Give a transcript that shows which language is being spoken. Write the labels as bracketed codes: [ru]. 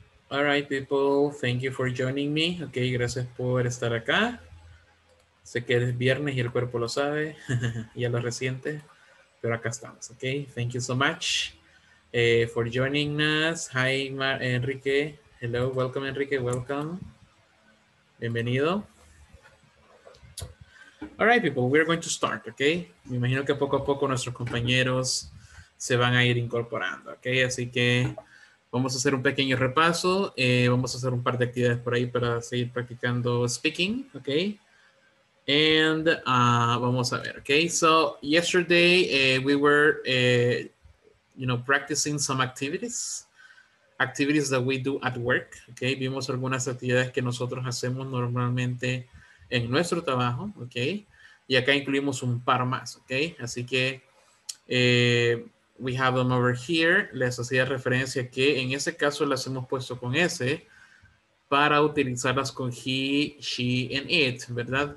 [en] All right, people, thank you for joining me. [es] Ok, gracias por estar acá. Sé que es viernes y el cuerpo lo sabe, ya lo resiente, pero acá estamos. [en] Ok, thank you so much for joining us. Hi, Enrique. Hello, welcome, Enrique, welcome. Bienvenido. All right, people, we're going to start, ok? [es] Me imagino que poco a poco nuestros compañeros se van a ir incorporando, ok? Así que vamos a hacer un pequeño repaso. Vamos a hacer un par de actividades por ahí para seguir practicando speaking, ¿ok? And vamos a ver, ¿ok? [en] So, yesterday we were, you know, practicing some activities. Activities that we do at work, ¿ok? [es] Vimos algunas actividades que nosotros hacemos normalmente en nuestro trabajo, ¿ok? Y acá incluimos un par más, ¿ok? Así que [en] we have them over here. [es] Les hacía referencia que en ese caso las hemos puesto con S para utilizarlas con [en] he, she, and it, [es] ¿verdad?